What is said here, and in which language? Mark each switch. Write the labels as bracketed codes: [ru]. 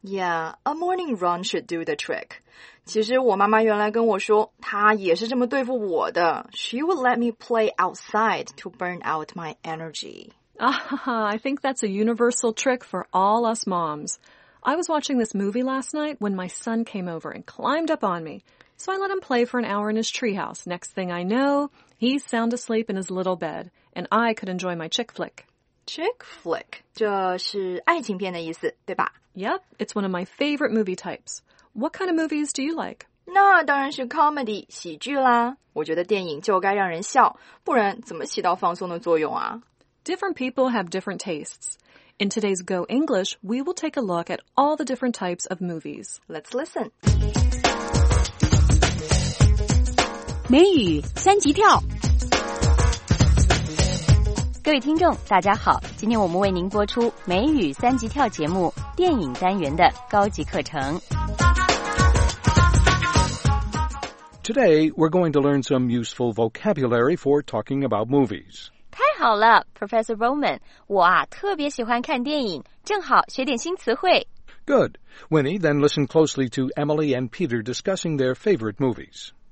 [en] Yeah, a morning run should do the trick. [zh] 其实我妈妈原来跟我说，她也是这么对付我的。 [en] She would let me play outside to burn out my energy. I think that's a universal trick for all us moms. I was watching this movie last night when my son came over and climbed up on me. So I let him play for an hour in his treehouse. Next thing I know, he's sound asleep in his little bed, and I could enjoy my chick flick. Chick flick? [zh] 这是爱情片的意思，对吧？ [en] Yep, it's one of my favorite movie types. What kind of movies do you like? [zh] 那当然是 comedy, 喜剧啦。我觉得电影就该让人笑，不然怎么起到放松的作用啊？ [en] Different people have different tastes. In today's Go English, we will take a look at all the different types of movies. Let's listen. [zh] 美语三级跳，各位听众大家好，今天我们为您播出美语三级跳节目电影单元的高级课程。 [en] Today we're going to learn some useful vocabulary for talking about movies. [zh] 太好了 Professor Roman， 我啊特别喜欢看电影，正好学点新词汇。 [en] Good, Winnie, then listen closely to Emily and Peter discussing their favorite movies